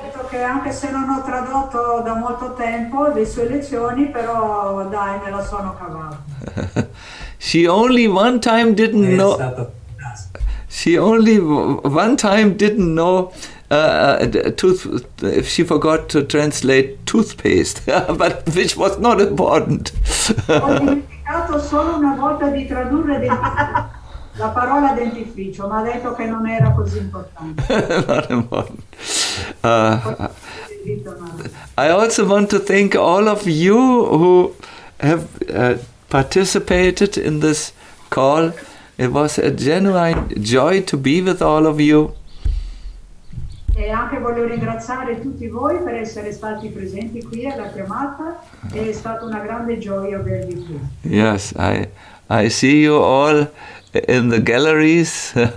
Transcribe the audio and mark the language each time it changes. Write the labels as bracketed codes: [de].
[it] Che anche se non ho tradotto da molto tempo le sue lezioni, però dai, me la sono cavata. [en] She only one time didn't know. She only one time didn't know if she forgot to translate toothpaste, but which was not important. [it] Ho dimenticato solo una volta di tradurre la parola dentifricio, ma ha detto che non era così importante. [en] Not important. I also want to thank all of you who have participated in this call. It was a genuine joy to be with all of you. [it] E anche voglio ringraziare tutti voi per essere stati presenti qui alla chiamata. È stata una grande gioia avervi qui. [en] Yes, I see you all in the galleries.